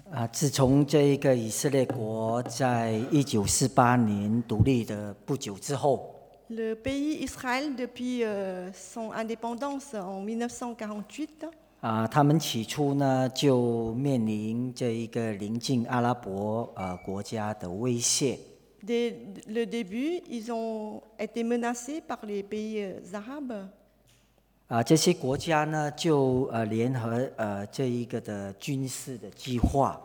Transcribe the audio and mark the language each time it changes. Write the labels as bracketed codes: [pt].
[zh] 自从这一个以色列国在1948年独立的不久之后 [fr] ，Le pays Israël depuis son indépendance en 1948， [zh] 他们起初呢就面临这一个邻近阿拉伯国家的威胁。 [fr] Dès le début, ils ont été menacés par les pays arabes. [zh] 这些国家呢就联合这一个的军事的计划。